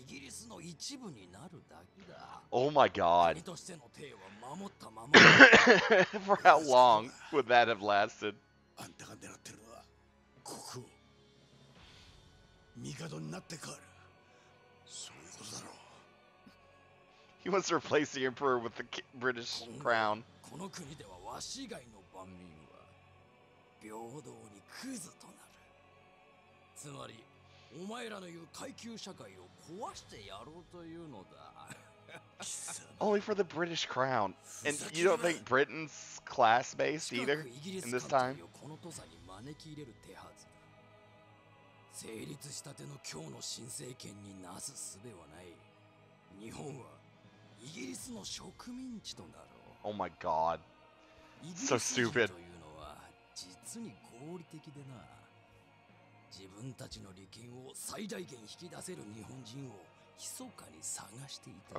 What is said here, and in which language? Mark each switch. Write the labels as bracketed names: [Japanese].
[Japanese] イギリスの一部になるだけだ。 [English] Oh my god. [Japanese] 国としての体は守ったまま。 [English] For how long would that have lasted? [Japanese] あんたが狙ってるのは国王、帝になって変わる。そういうことだろう。 [English] He wants to replace the emperor with the British crown. [Japanese] この国ではわし以外の万民は平等にクズとなる。つまりお前らの言う階級社会を壊してやろうというのだ。 [English] Only for the British crown. And you don't think Britain's class based either in this time? [Japanese] この土佐に招き入れる手はずだ。成立したての今日の新政権になすすべはない。日本はイギリスの植民地となろう。 [English] Oh my god. So stupid. [Japanese] というのは実に合理的でな。自分たちの利権を最大限引き出せる日本人を密かに探していた。